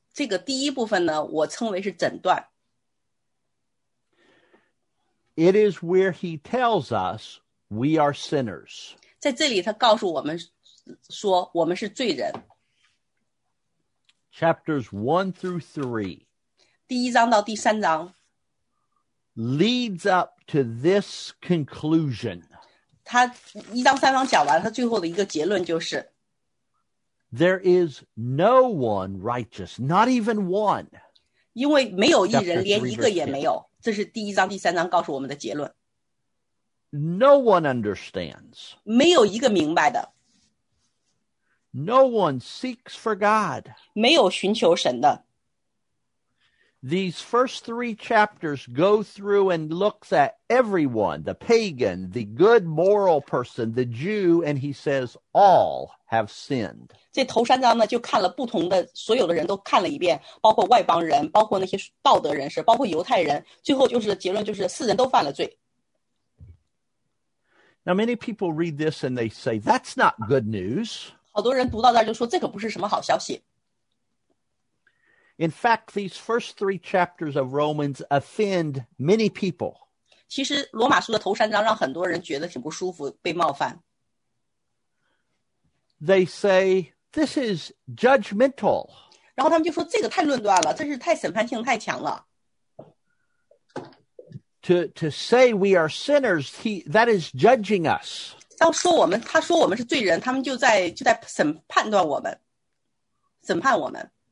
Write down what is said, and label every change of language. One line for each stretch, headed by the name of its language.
Chinese: 这个第一部分呢，我称为是诊断。
English: It is where he tells us we are sinners.
Chinese: 在这里他告诉我们说我们是罪人。
English: Chapters 1 through 3.
Chinese: 第一章到第三章
English: leads up to this conclusion.
Chinese: 他一章三章讲完，他最后的一个结论就是
English: there is no one righteous, not even one.
Chinese: 因为没有一人，连一个也没有，这是第一章第三章告诉我们的结论。
English: No one understands.
Chinese: 没有一个明白的。
English: No one seeks for God.
Chinese: 没有寻求神的。
English: these first three chapters go through and looks at everyone, the pagan, the good moral person, the Jew, and he says, all have sinned.
Chinese: 这头三章呢, 就看了不同的, 所有的人都看了一遍, 包括外邦人, 包括那些道德人士, 包括犹太人, 最后就是结论就是, 四人都犯了罪。
English: Now, many people read this and they say, that's not good news.
Chinese: 好多人读到那就说, 这可不是什么好消息。
English: In fact, these first three chapters of Romans offend many people.
Chinese: 其实罗马书的头三章让很多人觉得挺不舒服, 被冒犯。
English: They say, this is judgmental.
Chinese: 然后他们就说, 这个太论断了, 这是太审判性, 太强了。
English: To say we are sinners, that is judging us.
Chinese: 要说我们, 他说我们是罪人, 他们就在审判断我们, 审判我们。